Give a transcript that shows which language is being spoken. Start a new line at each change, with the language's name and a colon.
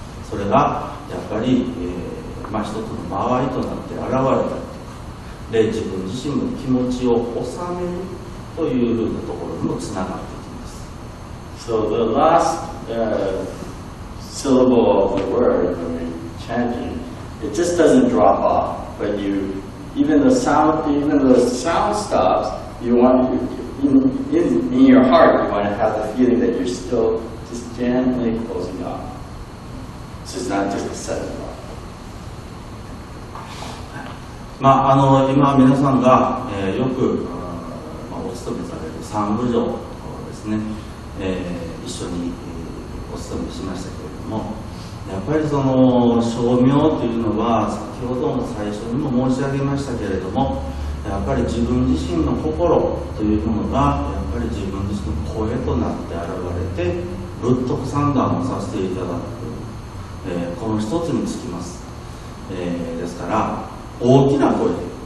Japanese: それがやっぱり、一つの間合いとなって現れたりとか、で、自分自身の気持ちを収めるというふうなところにもつながっていきます。
English: So the last, syllable of the word, chanting, it just doesn't drop off, but you, even though the sound stops, you want to, in your heart, you want to have the feeling that you're still just gently closing up. So it's not just a sudden drop.
Japanese: まあ、あの今皆さんが、よく、まあ、お勤めされる三部長ですね、一緒に、お勤めしましたけれども、やっぱりその称名というのは先ほども最初にも申し上げましたけれども、やっぱり自分自身の心というものがやっぱり自分自身の声となって現れて仏徳三段をさせていただく、この一つにつきます、ですから大きな声 で